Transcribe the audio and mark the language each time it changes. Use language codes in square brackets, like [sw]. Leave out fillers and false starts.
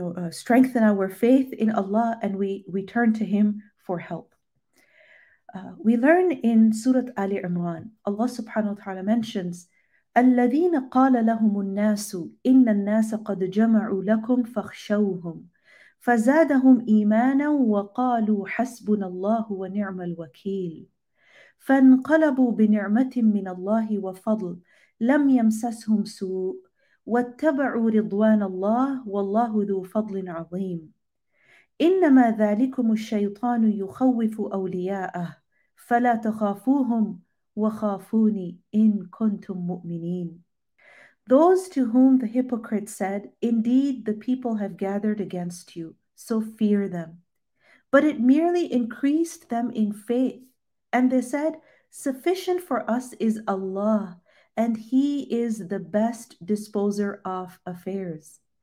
[en] Strengthen our faith in Allah, and we turn to Him for help. We learn in Surah Ali Imran, Allah subhanahu wa ta'ala mentions, [ar] الَّذِينَ قَالَ لَهُمُ النَّاسُ إِنَّ النَّاسَ قَدْ جَمَعُوا لَكُمْ فَخْشَوْهُمْ فَزَادَهُمْ إِيمَانًا وَقَالُوا حَسْبُنَا اللَّهُ وَنِعْمَ الْوَكِيلُ فَانْقَلَبُوا بِنِعْمَةٍ مِنَ اللَّهِ وَفَضْلٍ لَمْ يَمْسَسْهُمْ سُوءٌ وَاتَّبَعُوا رِضْوَانَ اللَّهِ وَاللَّهُ ذُو فَضْلٍ عَظِيمٍ إِنَّمَا ذَلِكُمُ الشَّيْطَانُ يُخَوِّفُ أَوْلِيَاءَهُ فَلَا تَخَافُوهُمْ وَخَافُونِ إِن كُنْتُم مُؤْمِنِينَ. [en] Those to whom the hypocrite said, indeed the people have gathered against you, so fear them. But it merely increased them in faith. And they said, sufficient for us is Allah, and He is the best disposer of affairs.